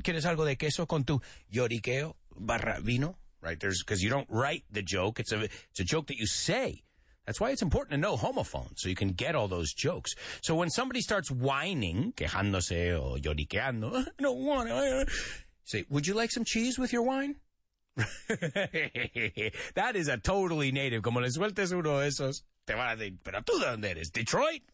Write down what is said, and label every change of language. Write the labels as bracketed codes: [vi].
[es] ¿Quieres algo de queso con tu lloriqueo barra vino? [en] Right? Because you don't write the joke. It's a joke that you say. That's why it's important to know homophones, so you can get all those jokes. So when somebody starts whining, [es] quejándose o lloriqueando, [en] no wanna, say, would you like some cheese with your wine? That is a totally native. [es] Como le sueltes uno de esos. Te van a decir, pero tú dónde eres, Detroit?